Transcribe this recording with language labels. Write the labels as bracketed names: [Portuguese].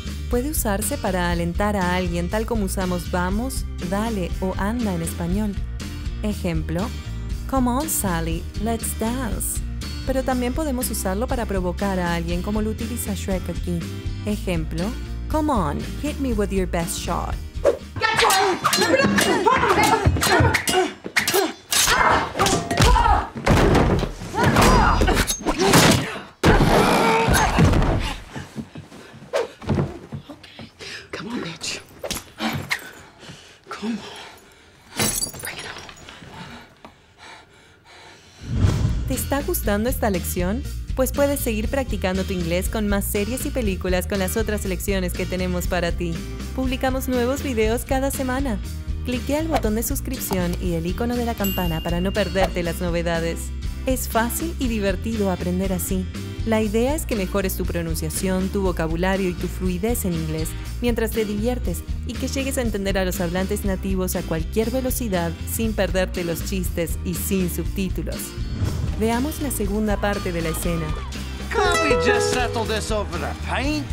[Spanish] Puede usarse para alentar a alguien tal como usamos vamos, dale o anda en español. Ejemplo. [English] Come on, Sally. Let's dance. [Spanish] Pero también podemos usarlo para provocar a alguien como lo utiliza Shrek aquí. Ejemplo. [English] Come on, hit me with your best shot. [Spanish] ¿Te está gustando esta lección? Pues puedes seguir practicando tu inglés con más series y películas con las otras lecciones que tenemos para ti. Publicamos nuevos videos cada semana. Cliquea el botón de suscripción y el icono de la campana para no perderte las novedades. Es fácil y divertido aprender así. La idea es que mejores tu pronunciación, tu vocabulario y tu fluidez en inglés mientras te diviertes y que llegues a entender a los hablantes nativos a cualquier velocidad sin perderte los chistes y sin subtítulos. Veamos la segunda parte de la escena. [English] Can't we just settle this over a pint?